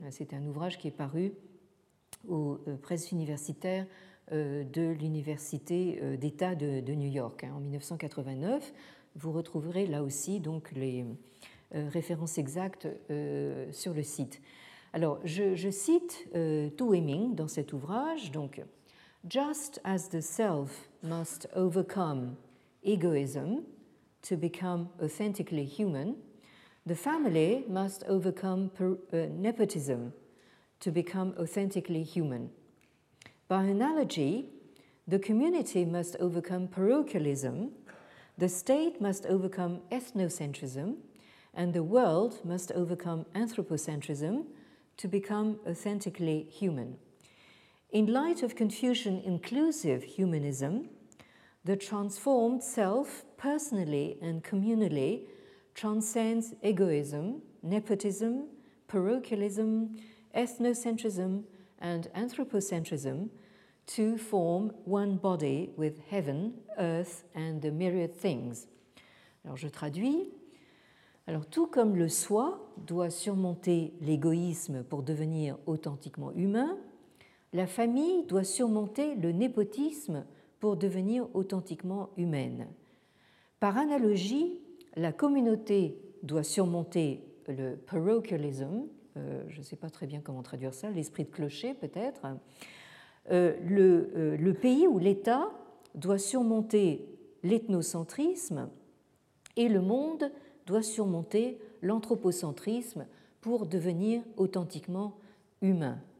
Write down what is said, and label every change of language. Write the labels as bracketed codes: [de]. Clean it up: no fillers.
[fr] C'est un ouvrage qui est paru aux presses universitaires de l'Université d'État de New York en 1989. Vous retrouverez là aussi donc les références exactes sur le site. Alors, je cite Tu Weiming dans cet ouvrage. [en] Donc, just as the self must overcome egoism to become authentically human, the family must overcome nepotism to become authentically human. By analogy, the community must overcome parochialism, the state must overcome ethnocentrism, and the world must overcome anthropocentrism to become authentically human. In light of Confucian-inclusive humanism, the transformed self, personally and communally, transcends egoism, nepotism, parochialism, ethnocentrism, and anthropocentrism to form one body with heaven, earth, and the myriad things. [fr] Alors, je traduis. Alors, tout comme le soi doit surmonter l'égoïsme pour devenir authentiquement humain, la famille doit surmonter le népotisme pour devenir authentiquement humaine. Par analogie, la communauté doit surmonter le parochialism, je ne sais pas très bien comment traduire ça, l'esprit de clocher peut-être, le pays ou l'État doit surmonter l'ethnocentrisme et le monde doit surmonter l'anthropocentrisme pour devenir authentiquement humain.